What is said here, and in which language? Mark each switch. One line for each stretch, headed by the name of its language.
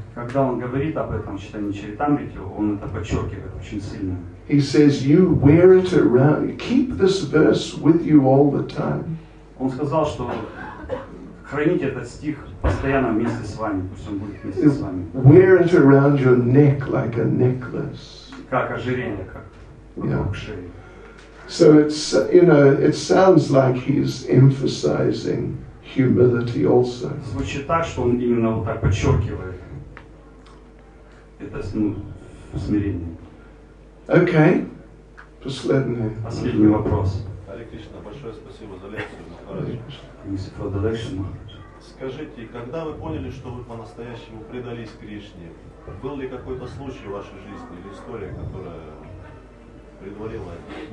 Russian: Когда он говорит об этом в читании Чайтамриты, он это подчеркивает очень сильно.
English: He says, "You wear it around. Keep this verse with you all the time."
Russian: Он сказал, что храните этот стих постоянно вместе с вами, пусть он будет вместе с вами.
English: Wear it around your neck like a necklace.
Russian: Как ожерелье, как вокруг шеи.
English: So it's, you know, it sounds like he's emphasizing humility also.
Russian: Звучит так, что он именно вот так подчеркивает это смирение.
English: Okay.
Russian: Последний вопрос. Харе Кришна, большое спасибо за лекцию, Махарадж. Скажите, когда вы поняли, что вы по-настоящему предались Кришне, был ли какой-то случай в вашей жизни или история, которая предварила это?